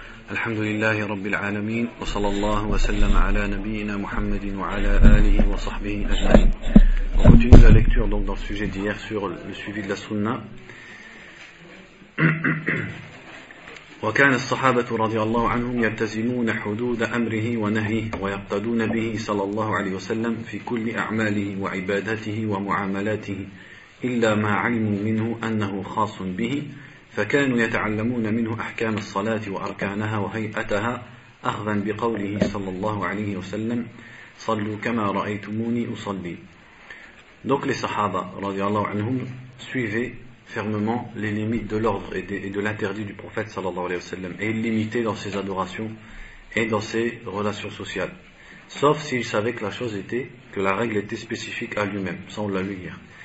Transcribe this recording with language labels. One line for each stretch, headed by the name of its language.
Arabic: الحمد لله رب العالمين، وصلى الله وسلم على نبينا محمد وعلى آله وصحبه أجمعين.
French: On continue la lecture donc dans le sujet d'hier sur le suivi de la sunna.
Arabic: وكان الصحابة رضي الله عنهم يلتزمون حدود أمره ونهيه ويقتدون به صلى الله عليه وسلم في كل أعماله وعباداته ومعاملاته إلا ما علموا منه أنه خاص به، فكانوا يتعلمون منه أحكام الصلاة وأركانها وهيئتها أخذا بقوله صلى الله عليه وسلم صلوا كما رأيتموني أصلي.
French: Donc les Sahaba
Arabic: رضي الله عنهم
French: suivaient fermement les limites de l'ordre et de l'interdit du prophète
Arabic: sallallahu alayhi wa sallam,
French: et limitaient dans ses adorations et dans ses relations sociales, sauf s'ils savaient que la chose était, que la règle était spécifique à lui-même. Ça on l'a lu hier.